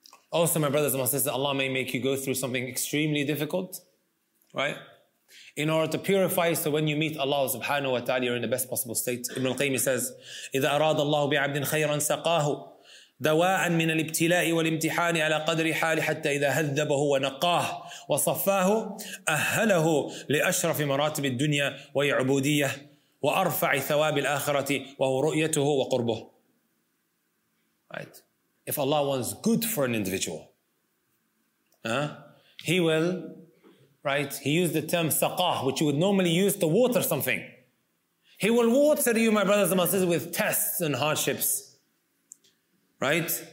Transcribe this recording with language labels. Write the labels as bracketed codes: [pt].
[en] Also, my brothers and my sisters, Allah may make you go through something extremely difficult, right? In order to purify, so when you meet Allah subhanahu wa ta'ala, you're in the best possible state. Ibn al-Qayyim says, [ar] إِذَا أَرَادَ اللَّهُ بِعَبْدٍ خَيْرًا سَقَاهُ دواء من الابتلاء والامتحان على قدر حال حتى إذا هذبه ونقاه وصفاه أهله لأشرف مراتب الدنيا وعبودية وأرفع ثواب الآخرة وهو رؤيته وقربه. [en] Right. If Allah wants good for an individual, He will, right? He used the term saqah, which you would normally use to water something. He will water you, my brothers and my sisters, with tests and hardships. Right?